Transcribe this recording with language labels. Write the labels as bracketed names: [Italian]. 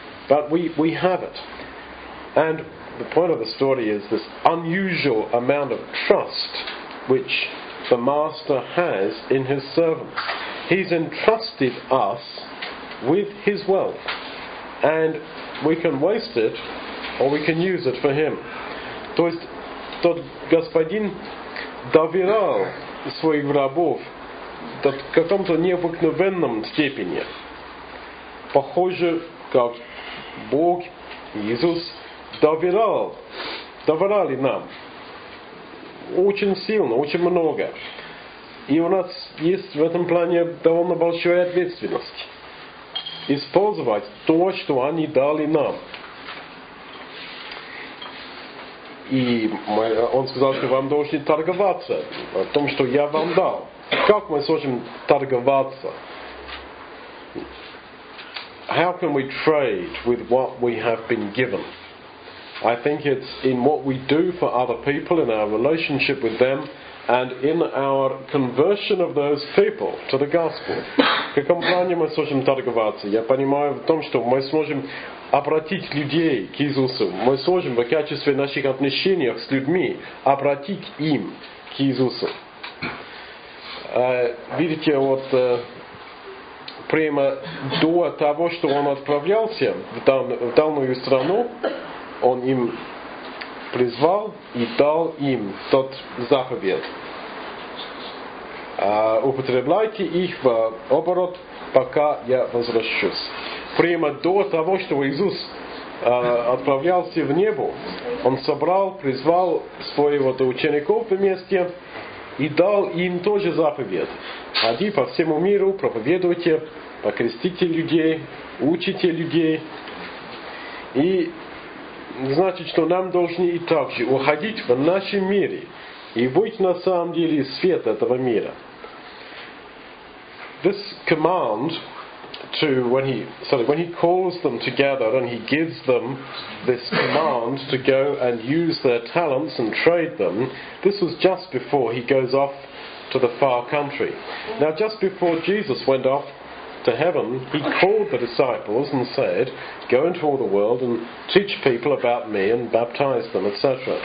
[English] But we have it. And the point of the story is this unusual amount of trust which the master has in his servants. He's entrusted us with his wealth, and we can waste it or we can use it for him. [Russian] То есть тот господин доверял своих рабов в каком-то необыкновенном степени. Похоже, как Бог, Иисус, доверали нам очень сильно, очень много. И у нас есть в этом плане довольно большая ответственность использовать то, что они дали нам. И он сказал, что вам должны торговаться о том, что я вам дал. Как мы сможем торговаться? [English] How can we trade with what we have been given? I think it's in what we do for other people, in our relationship with them, and in our conversion of those people to the gospel. [Russian] В каком плане мы сможем торговаться? Я понимаю в том, что мы сможем обратить людей к Иисусу. Мы сможем в качестве наших отношений с людьми обратить им к Иисусу. Видите, прямо до того, что он отправлялся в данную страну, он им призвал и дал им тот заповед. Употребляйте их в оборот, пока я возвращусь. Прямо до того, что Иисус отправлялся в небо, Он собрал, призвал своего учеников вместе и дал им тоже заповед. Ходи по всему миру, проповедуйте, покрестите людей, учите людей. И значит, что нам должны и так же уходить в нашем мире и быть на самом деле свет этого мира. [English] This command to when he calls them together and he gives them this command to go and use their talents and trade them, this was just before he goes off to the far country. Now just before Jesus went off to heaven, he called the disciples and said, go into all the world and teach people about me and baptize them, etc.